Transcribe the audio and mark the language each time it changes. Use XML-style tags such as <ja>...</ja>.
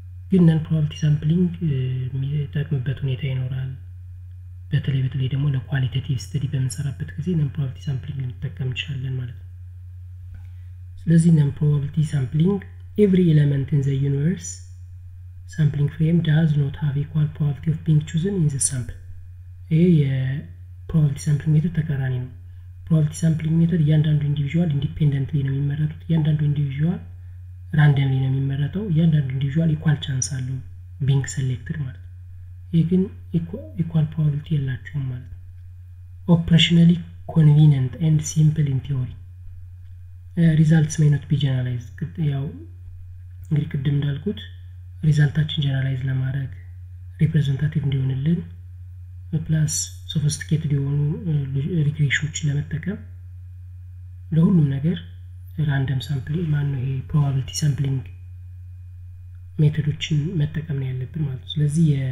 <am>ግን non probability sampling የሚጠቅምበት ሁኔታ ይኖራል። በተለይ በተለይ ደግሞ ለqualitative study በምንሰራበት ጊዜ non probability sampling ልንጠቀም እንችላለን ማለት ነው። ስለዚህ</am> <en>non probability sampling every element in the universe sampling frame does not have equal probability of being chosen in the sample.</en> <am>ይሄ የprobability sampling method ተቃራኒ ነው። probability sampling method እያንዳንዱ individual independently ነው የሚመረጡት። እያንዳንዱ individual randomly ነው የሚመረጠው። እያንዳንዱ individual equal chance አለው being selected ማለት ነው። ይሄ ግን equal probability የላቸውም ማለት ነው።</am> <en>operationally convenient and simple in theory results may not be generalized.</en> <am>ያው እንግዲህ ቅድም እንዳልኩት ሪዛልታችን ጀነራላይዝ ለማድረግ representative እንዲሆንልን በፕላስ ሶፊስቲኬትድ የሆኑ ሪግሬሽኖችን ለመጠቀም ለሁሉም ነገር ራንደም ሳምፕሊንግ ማን ነው ይሄ ፕሮባቢሊቲ ሳምፕሊንግ ሜቶዶችን መጠቀም ነው ያለብን ማለት ነው። ስለዚህ</am>